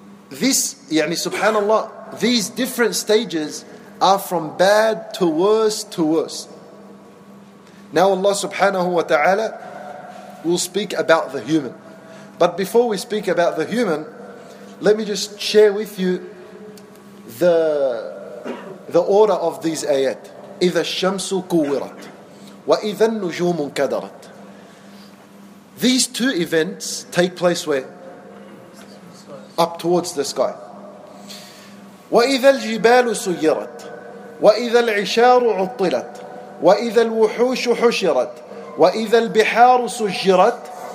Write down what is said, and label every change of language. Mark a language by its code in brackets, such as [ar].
[en] This, يعني subhanAllah, these different stages are from bad to worse to worse. Now Allah subhanahu wa ta'ala will speak about the human. But before we speak about the human, let me just share with you the order of these ayat. [ar] إِذَا الشَّمْسُ كُوِّرَتْ وَإِذَا النُّجُومُ كَدَرَتْ. [en] These two events take place where? Up towards the sky. [ar] وَإِذَا الْجِبَالُ سُيِّرَتْ وَإِذَا الْعِشَارُ عُطِّلَتْ وَإِذَا الْوُحُوشُ حُشِرَتْ وَإِذَا الْبِحَارُ سُجِّرَتْ.